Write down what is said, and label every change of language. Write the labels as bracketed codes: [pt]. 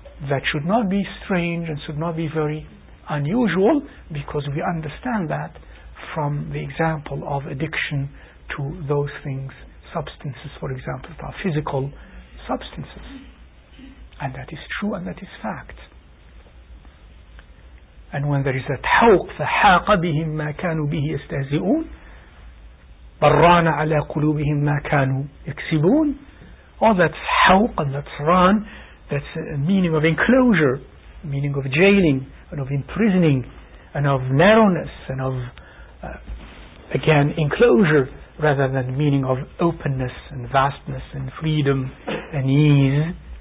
[en] That should not be strange and should not be very unusual, because we understand that from the example of addiction to those things, substances, for example, that are physical substances. And that is true and that is fact. And when there is a tawq, [ar] فَحَاقَ بِهِمْ مَا كَانُوا بِهِ يَسْتَهْزِئُونَ بَرَّانَ عَلَىٰ قُلُوبِهِمْ مَا كَانُوا يَكْسِبُونَ. [en] All that tawq and that ran, that's a meaning of enclosure, meaning of jailing and of imprisoning and of narrowness and of again enclosure, rather than meaning of openness and vastness and freedom and ease.